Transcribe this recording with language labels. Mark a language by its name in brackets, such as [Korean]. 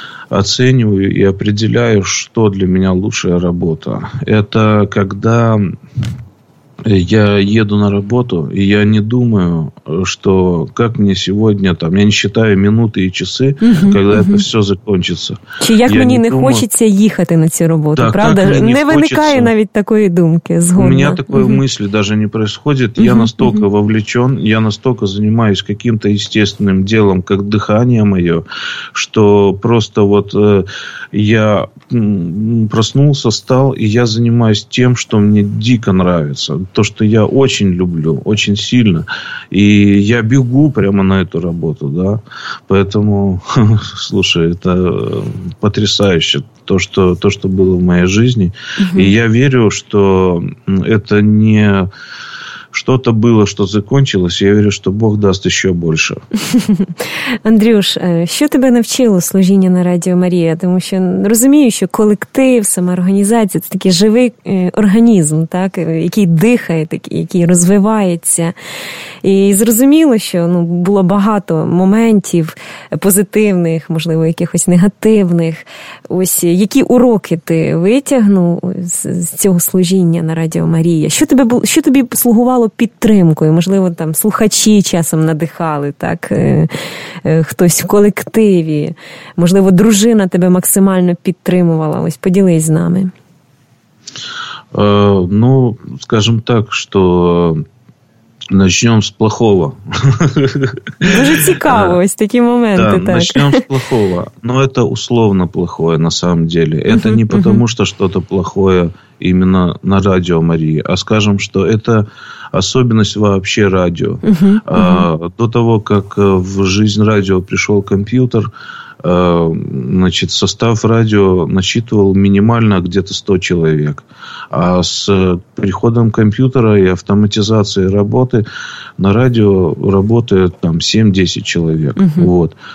[Russian] оцениваю и определяю, что для меня лучшая работа. Это когда Я еду на работу, и я не думаю, что как мне сегодня там, я не считаю минуты и часы, когда это все закончится. [Ukrainian] Чи як я мені не хочеться їхати на цю роботу, да, правда? Не виникає навіть такої думки згодом. У мене такої мислі навіть [Russian] не происходит. [Ukrainian] Я настільки [Russian] вовлечен, я настільки займаюсь каким-то естественным делом, как дыхание моє, [Ukrainian] що просто [Russian] вот я проснулся, встал, и я занимаюсь тем, что мне дико нравится. То, что я очень люблю, очень сильно. И я бегу прямо на эту работу, да. Поэтому, слушай, это потрясающе то, что было в моей жизни. И я верю, что это не что-то было, что закончилось. Я верю, что Бог даст еще больше. [Ukrainian] Андрюш, що тебе навчило служіння на Радіо Марія? Тому що розумію, що колектив, сама організація – це такий живий організм, так, який дихає, який розвивається. І зрозуміло, що ну, було багато моментів позитивних, можливо, якихось негативних. Ось які уроки ти витягнув з цього служіння на Радіо Марія? Що тебе, що тобі послугувало підтримкою? Можливо, там слухачі часом надихали, так? Хтось в колективі, можливо, дружина тебе максимально підтримувала. Ось поділись з нами. Ну, скажімо так, що почнемо з плохого. Дуже цікаво, ось такі моменти. Да, так, почнемо з плохого. [Russian] Ну, це условно плохое, на самом деле. [Ukrainian] Це не тому, що щось [Russian] плохое именно на Радіо Марії, а скажем, что это особенность вообще радио. До того, как в жизнь радио пришел компьютер, значит, состав радио насчитывал минимально где-то 100 человек. А с приходом компьютера и автоматизацией работы на радио работает там 7-10 человек. Вот.